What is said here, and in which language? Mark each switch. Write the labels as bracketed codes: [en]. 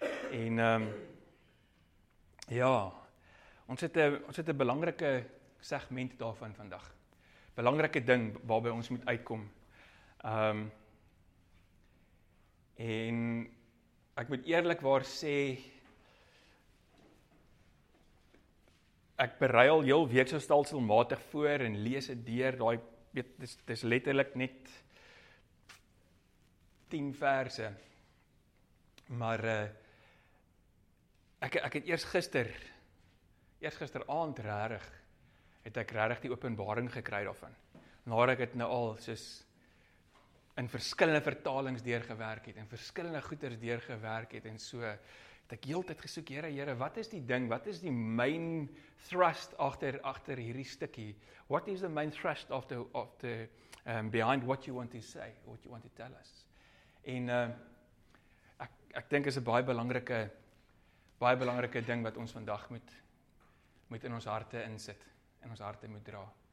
[af] En ons het 'n belangrike segment daarvan vandag. Belangrike ding waarby ons moet uitkom. En ek moet eerlikwaar sê ek berei al heel week so stelselmatig voor en lees dit deur daai dis letterlik net 10 verse. Maar ek het eers gisteraand het ek regtig die openbaring gekry daarvan. Nadat ek dit nou al soos in verskillende vertalings deurgewerk het en verskillende goeters deurgewerk het en so het ek heeltyd gesoek, Here, wat is die ding? Wat is die [en] main thrust [af] agter hierdie stukkie? [en] What is the main thrust behind what you want to say, what you want to tell us? [af] En ek dink is 'n baie belangrike ding wat ons vandag moet in ons harte insit, in ons harte moet dra.